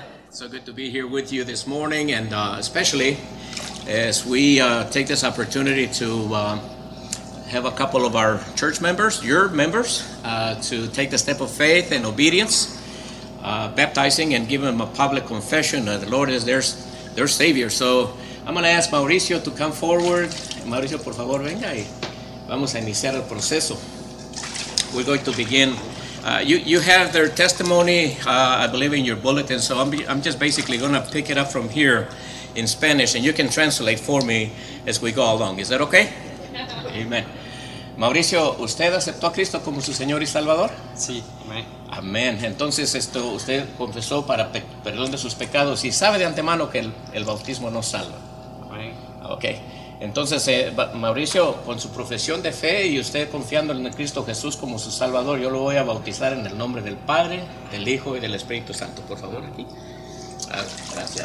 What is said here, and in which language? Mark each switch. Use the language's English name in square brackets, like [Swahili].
[English] So good to be here with you this morning, and especially as we take this opportunity to have a couple of our church members, your members, to take the step of faith and obedience, baptizing and giving them a public confession that the Lord is their Savior. So I'm going to ask Mauricio to come forward. [Spanish] Mauricio, por favor, venga y vamos a iniciar el proceso. [English] We're going to begin. You have their testimony, I believe, in your bulletin, so I'm just basically going to pick it up from here in Spanish, and you can translate for me as we go along. Is that okay? Amen. [Spanish] Mauricio, ¿usted aceptó a Cristo como su Señor y Salvador? Sí, amén. Amén. Entonces, usted confesó para perdón de sus pecados y sabe de antemano que el bautismo no salva. Amén. Okay. Entonces, Mauricio, con su profesión de fe y usted confiando en Cristo Jesús como su Salvador, yo lo voy a bautizar en el nombre del Padre, del Hijo y del Espíritu Santo. Por favor, aquí. Gracias.